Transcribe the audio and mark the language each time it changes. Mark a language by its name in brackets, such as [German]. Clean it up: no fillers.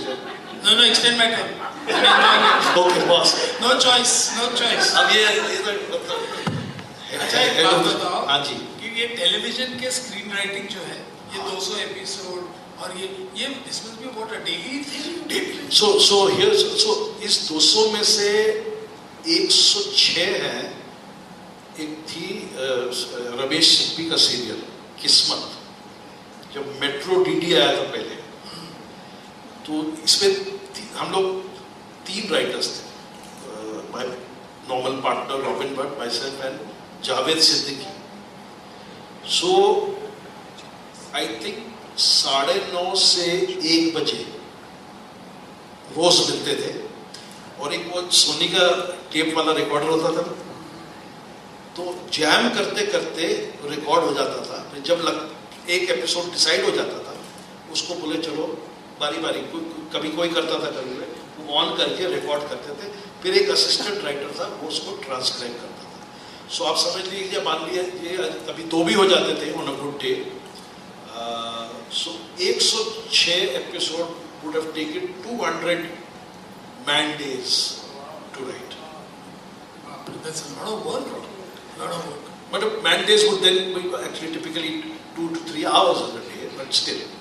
[English] No, extend my time. Okay, boss. No choice. Okay, television screenwriting, this 200 episode. [Hindi] और ये [English] this must be about a daily thing. [Hindi] So इस 200 में से 106 है, एक थी रमेश सिप्पी का सीरियल किस्मत, जब मेट्रो डीडी आया था पहले, तो इसमें हम लोग तीन राइटर्स थे, [English] my normal partner Robin but myself and [Hindi] Javed Siddiqui. [English] so I think [Hindi] 9:30 से 1 बजे रोज मिलते थे, और एक वो सोनी का टेप वाला रिकॉर्डर होता था, तो जैम करते करते रिकॉर्ड हो जाता था. फिर जब एक एपिसोड डिसाइड हो जाता था, उसको बोले चलो बारी बारी, कभी कोई करता था, कभी वो ऑन करके रिकॉर्ड करते थे. फिर एक असिस्टेंट राइटर था, वो उसको ट्रांसक्राइब करता था. सो आप समझ लीजिए, मान लीजिए कभी दो भी हो जाते थे [English] On a good day. So 106 episode would have taken 200 man days to write. That's a lot of work. But a man days would then be actually typically 2 to 3 hours of the day, but still.